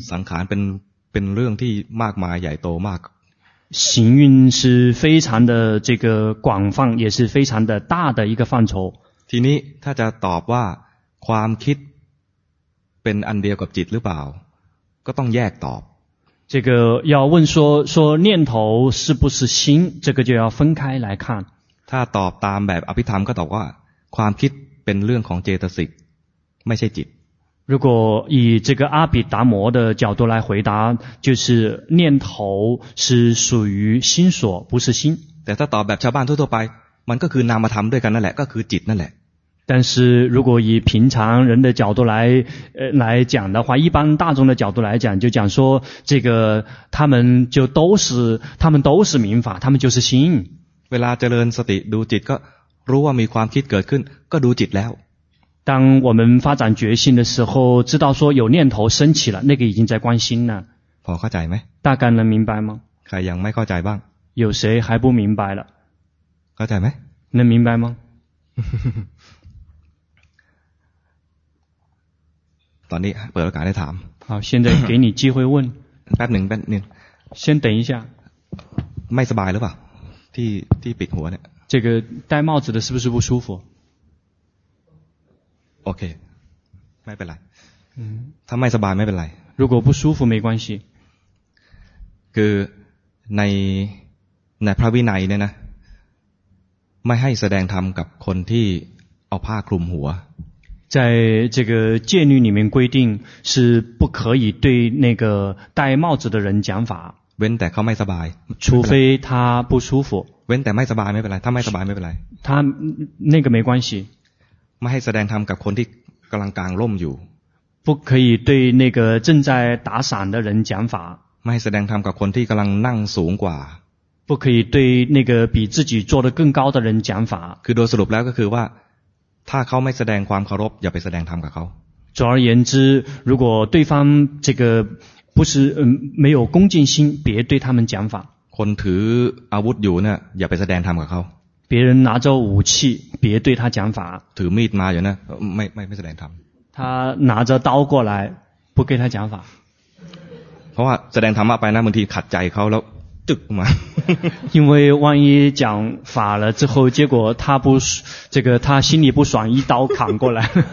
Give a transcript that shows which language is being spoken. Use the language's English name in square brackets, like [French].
[Thai] สังขารเป็นเรื่องที่มากมายใหญ่โตมาก [Chinese] 行运是非常的这个广泛也是非常的大的一个范畴 [Thai] ทีนี้ถ้าจะตอบว่าความคิดเป็นอันเดียวกับจิตหรือเปล่าก็ต้องแยกตอบ [Chinese] 这个要问说念头是不是心这个就要分开来看 [Thai] ถ้าตอบตามแบบอภิธรรมก็ตอบว่าความคิดเป็นเรื่องของเจตสิกไม่ใช่จิต [Chinese] 如果以这个阿毗达摩的角度来回答就是念头是属于心所不是心 [Thai] แต่ถ้าตอบแบบชาวบ้านทั่วไปมันก็คือนามธรรมด้วยกันนั่นแหละก็คือจิตนั่นแหละ [Chinese] 但是如果以平常人的角度来讲的话一般大众的角度来讲就讲说这个他们都是明法他们就是心 [Thai] เวลาเจริญสติดูจิตก็รู้ว่ามีความคิดเกิดขึ้นก็ดูจิตแล้ว [Chinese] 当我们发展觉性的时候知道说有念头升起了那个已经在观心了 [Thai] พอเข้าใจไหม [Chinese] 大概能明白吗 [Thai] ใครยังไม่เข้าใจบ้าง [Chinese] 有谁还不明白了 [Thai] เข้าใจไหม [Chinese] 能明白吗 [Thai] ตอนนี้เปิดโอกาสให้ถาม [Chinese] 好现在给你机会问 [Thai] แป๊บหนึ่งแป๊บนึง [Chinese] 先等一下 [Thai] ไม่สบายหรือเปล่าที่ปิดหัวเนี่ย [Chinese] 这个戴帽子的是不是不舒服 [Thai] โอเคไม่เป็นไรถ้าไม่สบายไม่เป็นไร [Chinese] 如果不舒服没关系 [Thai] คือในพระวินัยเนี่ยนะไม่ให้แสดงธรรมกับคนที่เอาผ้าคลุมหัว [Chinese] 在这个戒律里面规定是不可以对那个戴帽子的人讲法 [Thai] เว้นแต่เขาไม่สบาย [Chinese] 除非他不舒服 [Thai] เว้นแต่ไม่สบายไม่เป็นไรถ้าไม่สบายไม่เป็นไร [Chinese] 他那个没关系 [Thai] ไม่ให้แสดงธรรมกับคนที่กำลังกลางร่มอยู่ [Chinese] 不可以对那个正在打伞的人讲法 [Thai] ไม่ให้แสดงธรรมกับคนที่กำลังนั่งสูงกว่า [Chinese] 不可以对那个比自己坐得更高的人讲法 [Thai] คือโดยสรุปแล้วก็คือว่าถ้าเขาไม่แสดงความเคารพอย่าไปแสดงธรรมกับเขา [Chinese] 总而言之如果对方这个不是没有恭敬心别对他们讲法 [Thai] คนถืออาวุธอยู่เนี่ยอย่าไปแสดงธรรมกับเขา [Chinese] 别人拿着武器别对他讲法 [Thai] ถือมีดมาอยู่เนี่ยไม่แสดงธรรม [Chinese] 他拿着刀过来不给他讲法 [Thai] เพราะว่าแสดงธรรมไปนะบางทีขัดใจเขาแล้วตึกมา [Chinese] 因为万一讲法了之后结果他不这个他心里不爽一刀砍过来